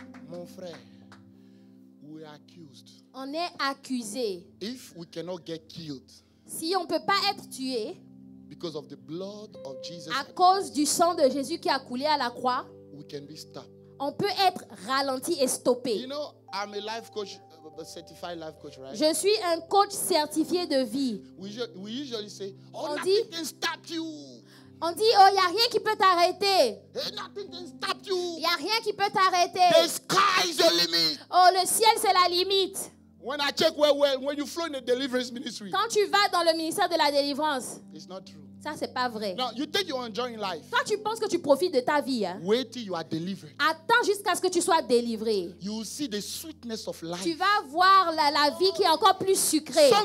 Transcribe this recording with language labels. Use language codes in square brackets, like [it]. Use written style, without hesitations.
[fr] Mon frère, [en] we are accused. [fr] On est accusé. [en] If we cannot get killed. [fr] Si on peut pas être tué. [en] Because of the blood of Jesus, [fr] à cause du sang de Jésus qui a coulé à la croix, [en] we can be stopped. [fr] On peut être ralenti et stoppé. [en] You know, I'm a life coach, a certified life coach, right? [fr] Je suis un coach certifié de vie. [en] We usually say, [fr] oh, on dit, [en] nothing can stop you. [fr] On dit, oh, il n'y a rien qui peut t'arrêter. [en] Nothing can stop you. [fr] Il n'y a rien qui peut t'arrêter. [en] The sky is the limit. [fr] Oh, le ciel, c'est la limite. [en] When I check where when you flow in the deliverance ministry. [fr] Quand tu vas dans le ministère de la délivrance. [en] It's not true. [fr] Ça, c'est pas vrai. [en] Now, you think you're enjoying life. [fr] Toi, tu penses que tu profites de ta vie. Hein? [en] Wait till you are delivered. [fr] Attends jusqu'à ce que tu sois délivré. [en] You will see the sweetness of life. [fr] Tu vas voir la vie qui est encore plus sucrée.